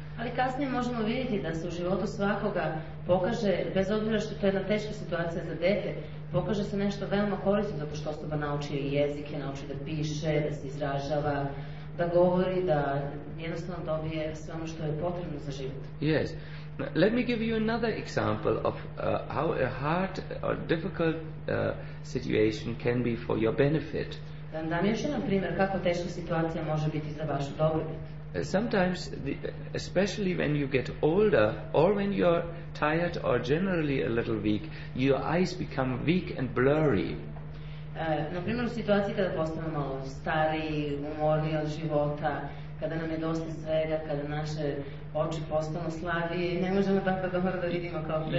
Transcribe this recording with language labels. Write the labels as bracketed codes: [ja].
[sr] Ali kasnije možemo vidjeti da se u životu svakoga pokaže, bez obzira što to je jedna teška situacija za dete, pokaže se nešto veoma korisno, zato što osoba nauči jezike, nauči da piše, da se izražava, da govori, da jednostavno dobije sve ono što je potrebno za život. [en] Yes. Let me give you another example of how a hard or difficult situation can be for your benefit. [sr] Dam još jedan primjer kako teška situacija može biti za vašu dobrobit. [en] Sometimes, especially when you get older, or when you're tired or generally a little weak, your eyes become weak and blurry. [sr] Na primjer, u situaciji kada postanemo malo stari, umorni od života, kada nam je dosta svega, kada naše oči postanu slabije, ne možemo tako dobro da vidimo kao pre.